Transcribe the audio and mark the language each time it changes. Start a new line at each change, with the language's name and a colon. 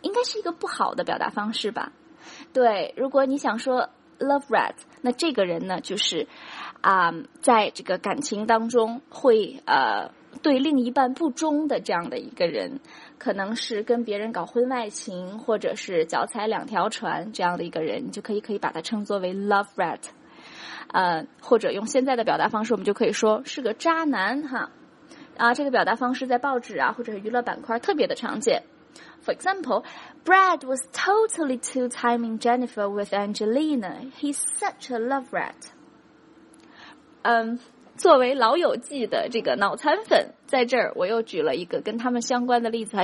Chinese: 应该是一个不好的表达方式吧。对，如果你想说 love rat, 那这个人呢就是在这个感情当中会对另一半不忠的这样的一个人，可能是跟别人搞婚外情或者是脚踩两条船这样的一个人，你就可以把它称作为 love rat。或者用现在的表达方式，我们就可以说是个渣男哈。这个表达方式在报纸啊或者是娱乐板块特别的常见。
English: For example, Brad was totally two-timing Jennifer with Angelina. He's such a love rat.
Chinese: 作为老友记的这个脑残粉，在这儿我又举了一个跟他们相关的例子哈。